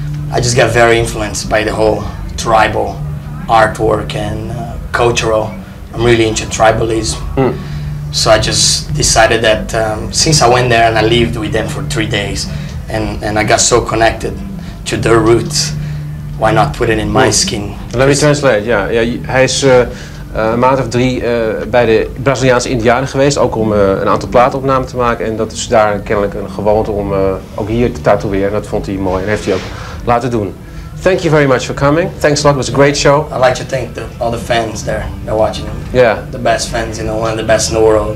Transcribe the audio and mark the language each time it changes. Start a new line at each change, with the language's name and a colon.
English: I just got very influenced by the whole tribal artwork and cultural. I'm really into tribalism. So I just decided that since I went there and I lived with them for 3 days, and I got so connected to their roots, why not put it in my skin? Let me translate, yeah.
Dutch: Yeah, hij is een maand of drie bij de Braziliaanse Indianen geweest, ook om een aantal plaatopnamen te maken. En dat is daar kennelijk een gewoonte om ook hier te tatoeëren. Dat vond hij mooi en heeft hij ook laten doen.
English: Thank you very much for coming. Thanks a lot, it was a great show. I'd like to thank all the fans there, they're watching him. Yeah. The best fans, you know, one of the best in the world.